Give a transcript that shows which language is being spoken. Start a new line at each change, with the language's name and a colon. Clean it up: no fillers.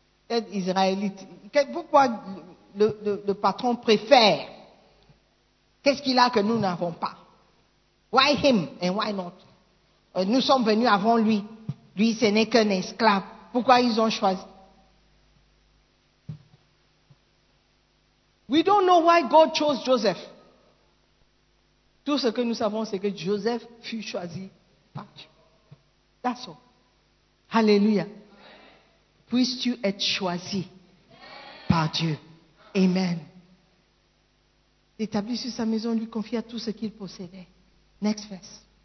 French: Un Israélite, pourquoi le patron préfère? Qu'est-ce qu'il a que nous n'avons pas?
English: Why him and why not?
French: Nous sommes venus avant lui. Lui, ce n'est qu'un esclave. Pourquoi ils ont choisi?
English: We don't know why God chose Joseph.
French: Tout ce que nous savons, c'est que Joseph fut choisi par Dieu.
English: That's all.
French: Hallelujah. Puisses-tu être choisi par Dieu. Amen. Établi sur sa maison, lui confia tout ce qu'il possédait.
English: Next verse.